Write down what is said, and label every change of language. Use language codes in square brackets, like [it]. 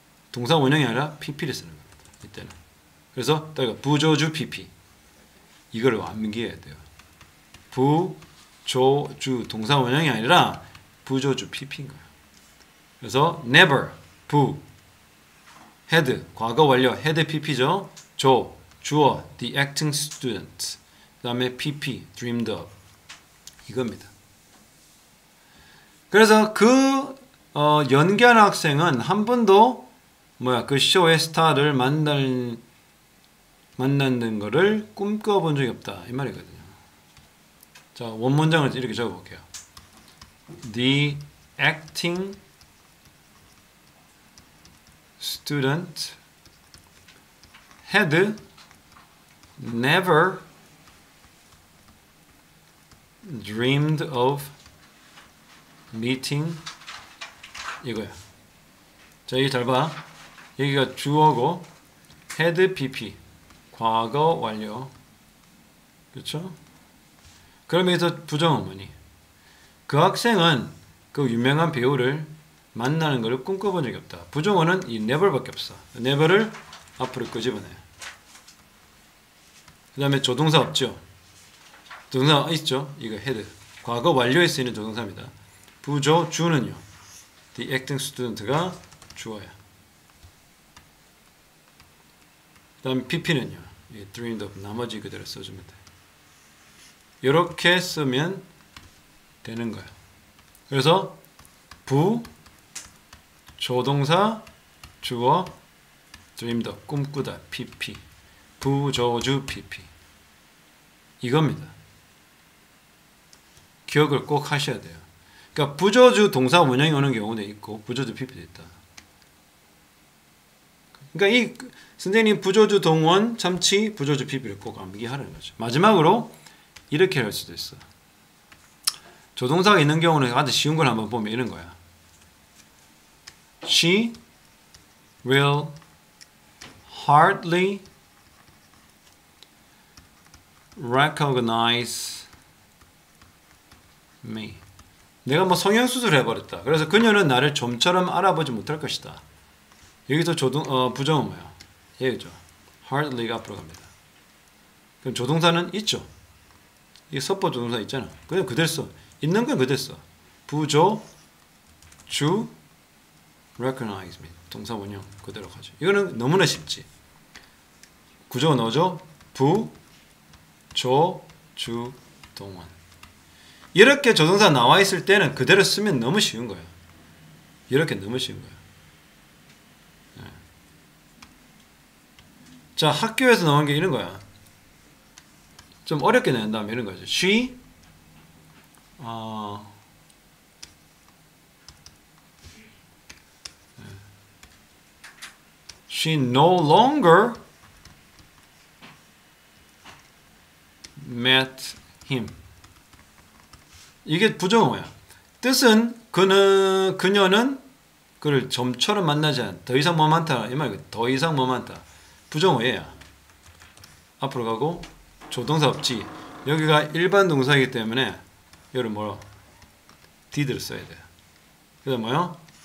[ko] 동사 원형이 아니라 pp를 쓰는 겁니다. 이때는. 그래서 따라가 부조주 pp 이걸 암기해야 돼요. 부조주 동사 원형이 아니라 부조주 pp인 거야. 그래서 never 부 head 과거 완료 head pp죠. 조 주어 [en] the acting student [ko] 그다음에 pp dreamed of 이겁니다. 그래서 그 연기한 학생은 한 번도 뭐야 그 쇼의 스타를 만난 거를 꿈꿔본 적이 없다 이 말이거든요. 자, 원문장을 이렇게 적어볼게요. [en] The acting student had never dreamed of meeting [ko] 이거야. 자, 이거 잘 봐. 여기가 주어고 had BP 과거 완료. 그렇죠? 그럼 여기서 부정은 뭐니? 그 학생은 그 유명한 배우를 만나는 걸 꿈꿔본 적이 없다. 부정어는 이 never밖에 없어. never를 앞으로 끄집어내. 그 다음에 조동사 없죠? 조동사 있죠? 이거 head. 과거 완료에 쓰이는 조동사입니다. 부조, 주는요? [en] The acting student가 주어야. [ko] 그 다음에 pp는요? 이 [en] dreamed of [ko] 나머지 그대로 써주면 돼. 이렇게 쓰면 되는 거야. 그래서 부, 조동사, 주어, dreamed of, 꿈꾸다, pp, 부, 조, 주, pp 이겁니다. 기억을 꼭 하셔야 돼요. 그러니까 부조주 동사 원형이 오는 경우도 있고 부조주 pp도 있다. 그러니까 이 선생님 부조주 동원 참치 부조주 pp를 꼭 암기하라는 거죠. 마지막으로 이렇게 할 수도 있어. 조동사가 있는 경우는 아주 쉬운 걸 한번 보면 이런 거야. [en] She will hardly recognize me. [ko] 내가 뭐 성형수술을 해버렸다. 그래서 그녀는 나를 좀처럼 알아보지 못할 것이다. 여기서 부정은 뭐예요? 얘기죠. hardly가 앞으로 갑니다. 그럼 조동사는 있죠. 이 섭포 조동사 있잖아. 그냥 그대로 써. 있는 건 그대로 써. 부조, 주, [en] recognize me. [ko] 동사 원형 그대로 가죠. 이거는 너무나 쉽지. 구조가 넣어줘. 부, 조, 주, 동원. 이렇게 조동사 나와 있을 때는 그대로 쓰면 너무 쉬운 거야. 이렇게 너무 쉬운 거야. 네. 자, 학교에서 나온 게 이런 거야. 좀 어렵게 낸 다음에 이런 거죠. [en] She, she no longer met him. [ko] 이게 부정어야. 뜻은 그녀는 그를 좀처럼 만나지 않. 더 이상 뭐 많다 이 말이고 더 이상 뭐 많다. 부정어예요. 앞으로 가고 조동사 없지. 여기가 일반 동사이기 때문에 얘를 뭐 did를 써야 돼. 그다음 뭐요?